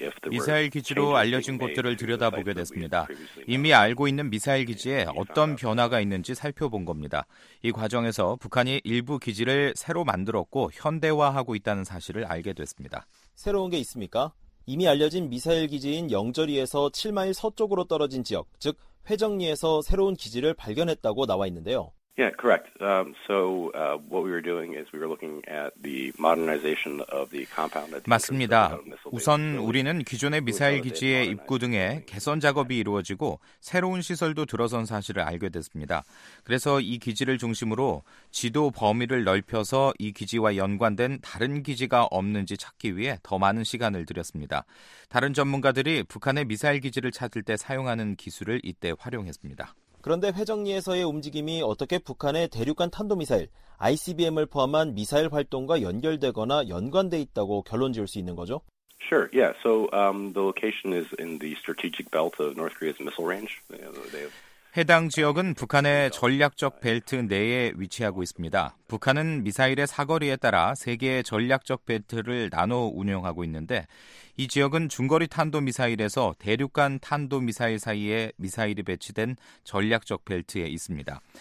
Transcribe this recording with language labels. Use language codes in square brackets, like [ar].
[ko] 미사일 기지로 알려진 곳들을 들여다보게 됐습니다. 이미 알고 있는 미사일 기지에 어떤 변화가 있는지 살펴본 겁니다. 이 과정에서 북한이 일부 기지를 새로 만들었고 현대화하고 있다는 사실을 알게 됐습니다. 새로운 게 있습니까? 이미 알려진 미사일 기지인 영저리에서 7마일 서쪽으로 떨어진 지역, 즉 회정리에서 새로운 기지를 발견했다고 나와 있는데요. [en] Yeah, correct. What we were doing is we were looking at the modernization of the compound. [ko] 맞습니다. 우선 우리는 기존의 미사일 기지의 입구 등에 개선 작업이 이루어지고 새로운 시설도 들어선 사실을 알게 됐습니다. 그래서 이 기지를 중심으로 지도 범위를 넓혀서 이 기지와 연관된 다른 기지가 없는지 찾기 위해 더 많은 시간을 들였습니다. 다른 전문가들이 북한의 미사일 기지를 찾을 때 사용하는 기술을 이때 활용했습니다. 그런데 회정리에서의 움직임이 어떻게 북한의 대륙간 탄도미사일, ICBM을 포함한 미사일 활동과 연결되거나 연관돼 있다고 결론 지을 수 있는 거죠? [en] Sure. Yeah. So the location is in the strategic belt of North Korea's missile range. They [ko] 해당 지역은 북한의 전략적 벨트 내에 위치하고 있습니다. 북한은 미사일의 사거리에 따라 세 개의 전략적 벨트를 나눠 운영하고 있는데 이 지역은 중거리 탄도미사일에서 대륙간 탄도미사일 사이에 미사일이 배치된 전략적 벨트에 있습니다.